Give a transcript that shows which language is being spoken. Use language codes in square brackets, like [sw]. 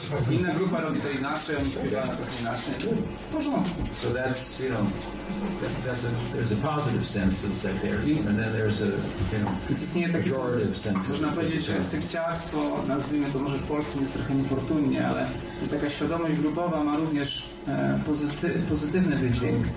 [pl] Inna grupa robi to inaczej, oni śpiewają to inaczej. W porządku. [en] So that's, you know, there's a positive sense of sectarianism, and then there's a, you know, pejorative sense. [pl] Można powiedzieć, że sekciarstwo, nazwijmy to może w polskim, jest trochę niefortunnie, ale taka świadomość grupowa ma również pozytywny wydźwięk.